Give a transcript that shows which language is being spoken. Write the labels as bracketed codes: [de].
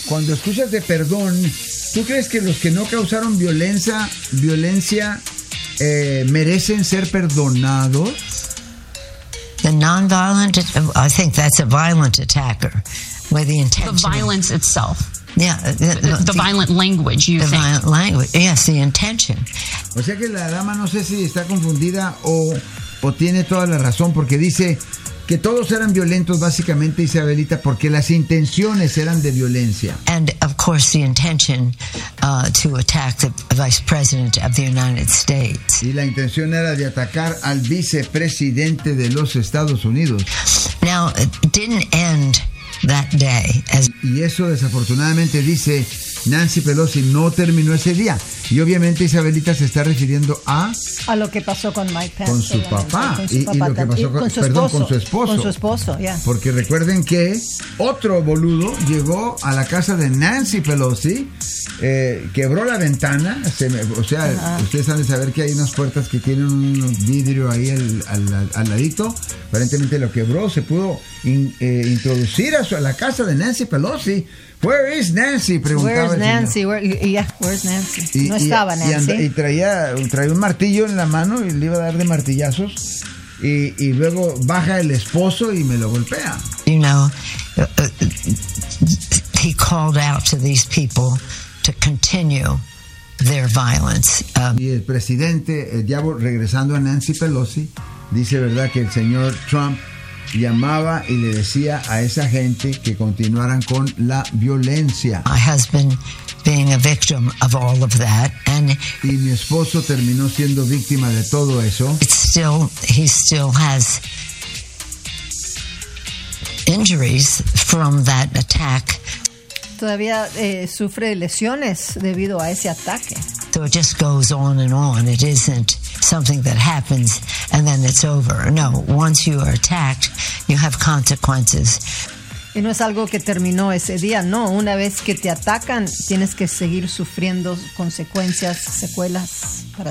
[es] Cuando escuchas de perdón, ¿tú crees que los que no causaron violencia merecen ser perdonados? [en] The non-violent, I think that's a violent attacker. With the intention. The violence itself. Yeah, the violent language, you the think. The violent language, yes, the intention. [es] O sea que la dama no sé si está confundida o tiene toda la razón, porque dice que todos eran violentos, básicamente, Isabelita, porque las intenciones eran de violencia. [en] And, of course, the intention to attack the vice president of the United States. [es] Y la intención era de atacar al vicepresidente de los Estados Unidos. [en] Now, it didn't end that day. [es] Y eso, desafortunadamente, dice Nancy Pelosi, no terminó ese día. Y obviamente Isabelita se está refiriendo a lo que pasó con Mike Pence. Con su papá. Y lo que pasó con su esposo. Con su esposo, ya. Yeah. Porque recuerden que otro boludo llegó a la casa de Nancy Pelosi, quebró la ventana. Ustedes han de saber que hay unas puertas que tienen un vidrio ahí al ladito. Aparentemente lo quebró, se pudo introducir a la casa de Nancy Pelosi. [en] Where is Nancy? [es] Preguntaba. [en] Where is Nancy? Where's Nancy? [es] No estaba Nancy. Y traía un martillo en la mano y le iba a dar de martillazos. Y luego baja el esposo y me lo golpea. [en] You know, he called out to these people to continue their violence. [es] Y el presidente, el diablo, regresando a Nancy Pelosi, dice, ¿verdad?, que el señor Trump llamaba y le decía a esa gente que continuaran con la violencia. [en] My husband being a victim of all of that, and [es] y mi esposo terminó siendo víctima de todo eso. [en] He still has injuries from that attack. [es] Todavía sufre lesiones debido a ese ataque. [en] So it just goes on and on. It isn't something that happens and then it's over. No, once you are attacked, you have consequences. [es] Y no es algo que terminó ese día, no. Una vez que te atacan, tienes que seguir sufriendo consecuencias, secuelas para